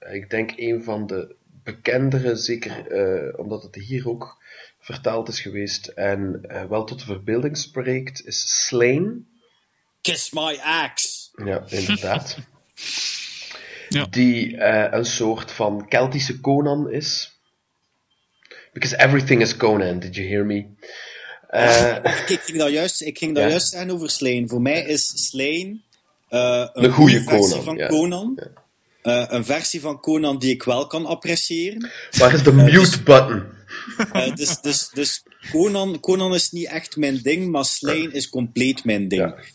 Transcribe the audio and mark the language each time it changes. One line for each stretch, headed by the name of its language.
Dutch: Ik denk een van de bekendere, zeker omdat het hier ook vertaald is geweest en wel tot de verbeelding spreekt, is Slain.
English: Kiss My Axe!
Dutch: Ja, inderdaad. die een soort van Keltische Conan is.
English: Because everything is Conan, did you hear me?
Dutch: Ik ging dat juist zeggen over Slane. Voor mij is Slane een goede Conan. Conan. Een versie van Conan die ik wel kan appreciëren. Waar is de mute button? Dus Conan is niet echt mijn ding, maar Slane is compleet mijn ding. Ja.